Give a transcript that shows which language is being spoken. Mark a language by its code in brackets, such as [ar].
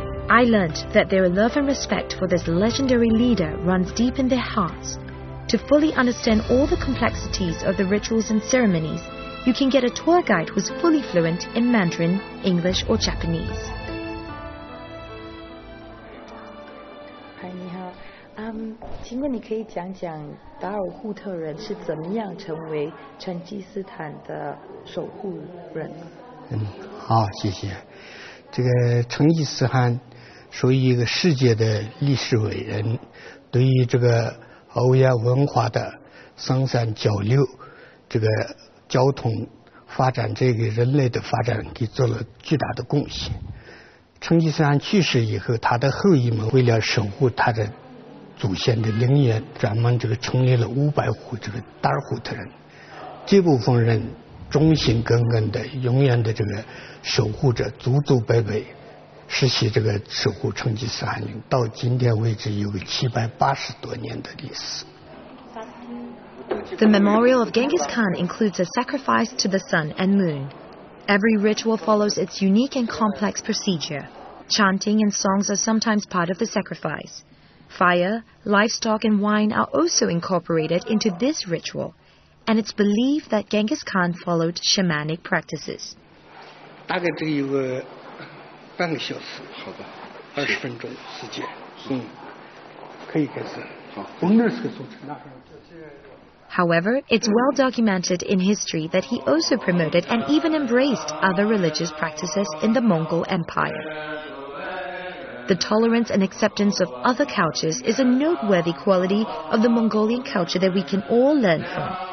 [en] I learned that their love and respect for this legendary leader runs deep in their hearts. To fully understand all the complexities of the rituals and ceremonies, you can get a tour guide who's fully fluent in Mandarin, English, or Japanese. [zh] Hi, 你好。请问你可以讲讲达尔扈特人是怎么样成为成吉思汗的守护人？好，谢谢。这个成吉思汗属于一个世界的历史伟人，对于这个欧亚文化的生产交流，这个交通发展，这个人类的发展给做了巨大的贡献。成吉思汗去世以后，他的后裔们为了守护他的祖先的灵源，专门这个成立了500户这个达尔扈特人。这部分人忠心耿耿的，永远的这个守护着，祖祖辈辈实习这个守护成吉思汗，到今天为止有个780多年的历史。 [en] The memorial of Genghis Khan includes a sacrifice to the sun and moon. Every ritual follows its unique and complex procedure. Chanting and songs are sometimes part of the sacrifice. Fire, livestock, and wine are also incorporated into this ritual, and it's believed that Genghis Khan followed shamanic practices. [zh] 大概这个有个半个小时，好吧，20分钟时间，可以开始。好，我们那时候做成那样。 [en] However, it's well documented in history that he also promoted and even embraced other religious practices in the Mongol Empire. The tolerance and acceptance of other cultures is a noteworthy quality of the Mongolian culture that we can all learn from.